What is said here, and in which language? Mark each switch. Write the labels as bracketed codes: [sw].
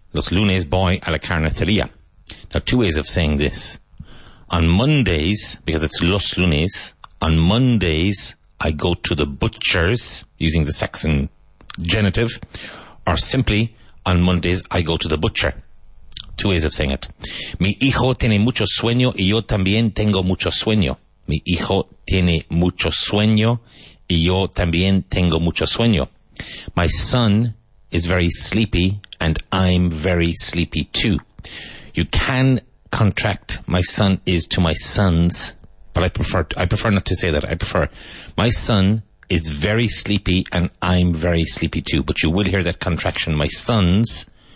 [es] Los lunes voy a la carnicería. [en] Now, two ways of saying this. On Mondays, because it's [es] los lunes, [en] on Mondays I go to the butcher's, using the Saxon genitive, or simply, on Mondays I go to the butcher. Two ways of saying it. [es] Mi hijo tiene mucho sueño y yo también tengo mucho sueño. Mi hijo tiene mucho sueño y yo también tengo mucho sueño. [en] My son is very sleepy and I'm very sleepy too. You can contract my son is to my sons, but I prefer not to say that. I prefer my son is very sleepy and I'm very sleepy too, but you will hear that contraction, my sons.